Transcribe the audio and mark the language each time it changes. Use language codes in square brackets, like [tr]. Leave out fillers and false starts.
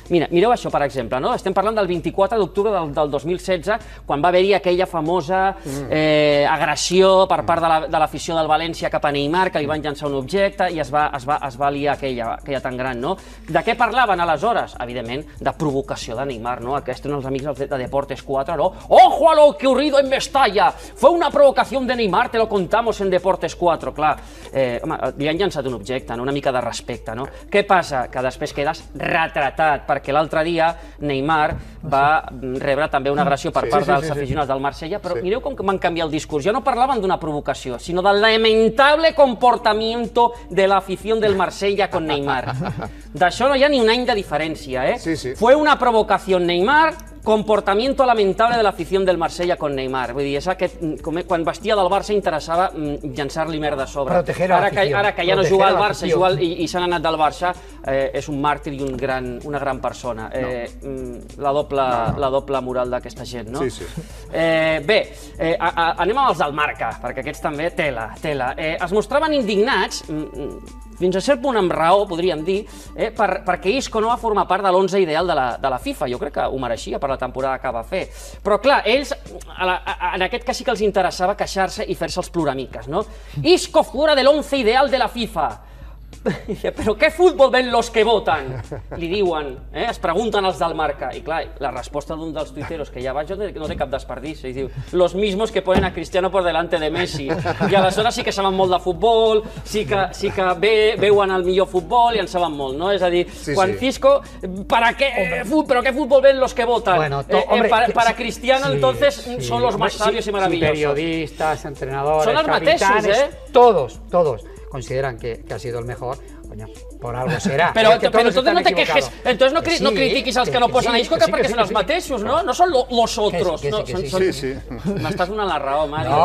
[ca] Mira, mireu això, per exemple, no? Estem parlant del 24 d'octubre del 2016, quan va haver-hi aquella famosa agressió per part de l'afició del València cap a Neymar, que li van llançar un objecte i es va liar aquella tan gran, no? De què parlaven aleshores? Evidentment, de provocació de Neymar, no? Aquests són els amics de Deportes 4, no? [es] ¡Ojo a lo que ocurrido en Mestalla! ¡Fue una provocación de Neymar, te lo contamos en Deportes 4! [ca] Clar, home, li han llançat un objecte, no? Una mica de respecte, no? Què passa? Que després quedes retratat, perquè l'altre dia Neymar va rebre també una agressió per part dels aficionats del Marsella, però mireu com van canviar el discurs. Ja no parlaven d'una provocació, sinó del lamentable [es] comportamiento [ca] de l'afició del Marsella con Neymar. D'això no hi ha ni un any de diferència, eh? Sí, sí. [es] Fue una provocación Neymar, comportamiento lamentable [ca] de l'afició del [es] Marsella con Neymar. [ca] Vull dir, és aquest... Quan vestia del Barça interessava llançar-li merda a sobre. [es] Proteger a [ca] l'afició. Ara que ja no juga al Barça i s'han anat del Barça, és un màrtir i una gran persona. La doble moral d'aquesta gent, no? Sí, sí. Bé, anem amb els del Marca, perquè aquests també, tela. Es mostraven indignats, fins a cert punt amb raó, podríem dir, perquè Isco no va formar part de l'11 ideal de la FIFA. Jo crec que ho mereixia per la temporada que va fer. Però, clar, ells, en aquest cas sí que els interessava queixar-se i fer-se els ploramiques, no? Isco fora de l'11 ideal de la FIFA. Però què futbol [es] ven los que voten? [ca] Li diuen, es pregunten els del Marca. I clar, la resposta d'un dels tuiteros que ja va, jo no té cap desperdici. [es] Diu, los mismos que ponen a Cristiano por delante de Messi. [ca] I aleshores sí que saben molt de futbol, sí que veuen el millor futbol i en saben molt, no? És a dir, quan Cisco, però què futbol [es] ven los que voten? Para Cristiano, entonces, son los más sabios y maravillosos. Periodistas, entrenadores, capitanes, todos. Consideran que ha sido el mejor, coño, por algo será. Pero entonces no te quejes, entonces [ca] no critiquis als que no posen a Isco, que perquè són els mateixos, no? No són [es] los otros. [ca] Sí, sí. M'estàs donant la raó, Mario.